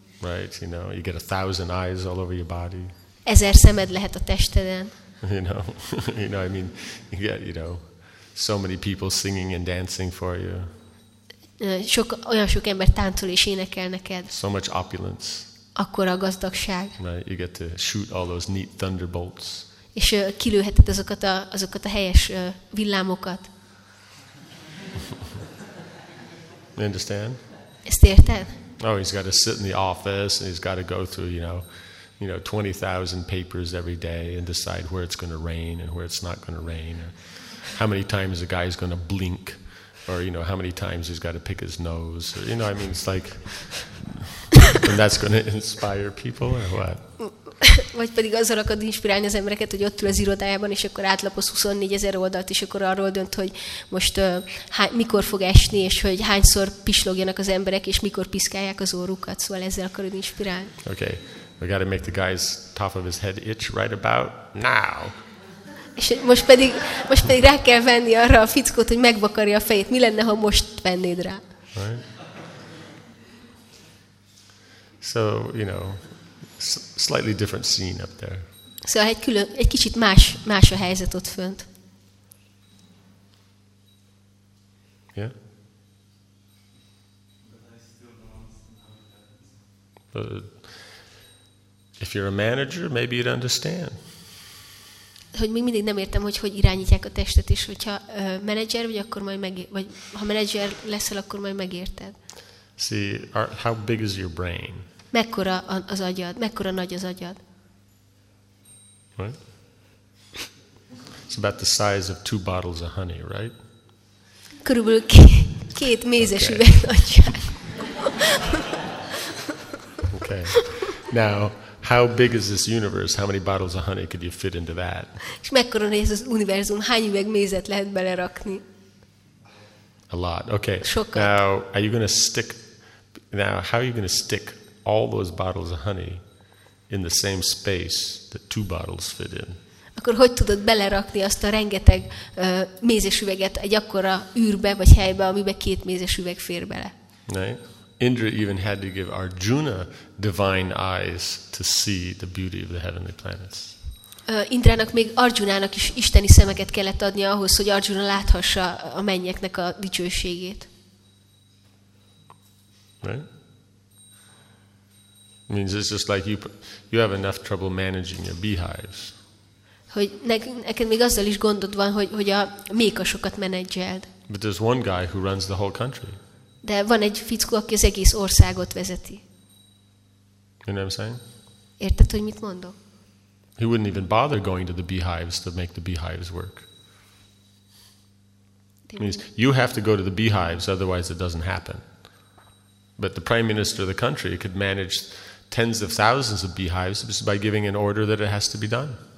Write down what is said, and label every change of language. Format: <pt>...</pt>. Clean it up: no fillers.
<en>Right, you know, you get 1,000 eyes all over your body.</en> <hu>Ezer szemed lehet a testeden.</hu> <en>You know, I mean, you get, you know, so many people singing and dancing for you.</en> <hu>Olyan sok ember táncol és énekel neked.</hu> <en>So much opulence.</en> <hu>Akkora gazdagság.</hu> <en>Right, you get to shoot all those neat thunderbolts.</en> <hu>És kilőheted azokat a helyes villámokat.</hu> <en>Understand?</en> <hu>Ezt érted?</hu> <en>Oh, he's got to sit in the office and he's got to go through, you know, you know, 20,000 papers every day and decide where it's going to rain and where it's not going to rain, or how many times a guy's going to blink, or, you know, how many times he's got to pick his nose, or, you know, I mean, it's like, and that's going to inspire people, or what?</en> <hu>Vagy pedig azzal akad inspirálni az embereket, hogy ott ül az irodájában, és akkor átlapoz 24,000 oldalt, és akkor arról dönt, hogy most mikor fog esni, és hogy hányszor pislogjanak az emberek, és mikor piszkálják az orrukat. Szóval ezzel akarod inspirálni.</hu> <en>Okay, we gotta make the guy's top of his head itch right about now.</en> <hu>És most pedig rá kell venni arra a fickót, hogy megvakarja a fejét. Mi lenne, ha most vennéd rá?</hu> <en>Right. So, you know, slightly different scene up there.</en> <hu>Szóval egy kicsit más a helyzet ott fönt.</hu> <en>Yeah. But if you're a manager, maybe you'd understand.</en> <hu>Hogy még mindig nem értem, hogy irányítják a testet, és hogyha menedzser vagy, akkor majd vagy ha menedzser leszel, akkor majd megérted.</hu> <en>See, how big is your brain?</en> <hu>Mekkora az agyad? Mekkora nagy az agyad?</hu> <en>Right? It's about the size of two bottles of honey, right?</en> <hu>Körülbelül két mézes üveg nagyság.</hu> <en>Okay. Now, how big is this universe? How many bottles of honey could you fit into that?</en> <hu>És mekkora nagy ez az univerzum? Hány üveg mézet lehet belerakni?</hu> <en>A lot. Okay.</en> <hu>Sokat.</hu> <en>Now, how are you going to stick all those bottles of honey in the same space that two bottles fit in?</en> <hu>Akkor hogy tudod belerakni azt a rengeteg mézes üveget egy akkora űrbe vagy helybe, amiben két mézes üveg fér bele?</hu> <en>Right. Indra even had to give Arjuna divine eyes to see the beauty of the heavenly planets.</en> <hu>Indrának még Arjunának is isteni szemeket kellett adnia ahhoz, hogy Arjuna láthassa a mennyeknek a dicsőségét.</hu> <en>Right. I mean, it's just like you have enough trouble managing your beehives.</en> <hu>Hogy neked még azzal is gondod van, hogy a mékasokat menedzseld.</hu> <en>But there's one guy who runs the whole country.</en> <hu>De van egy fickó, aki az egész országot vezeti.</hu> <en>You know what I'm saying?</en> <hu>Érted, hogy mit mondok?</hu> <en>He wouldn't even bother going to the beehives to make the beehives work. It means you have to go to the beehives, otherwise it doesn't happen. But the prime minister of the country could manage tens of thousands of beehives just by giving an order that it has to be done.</en>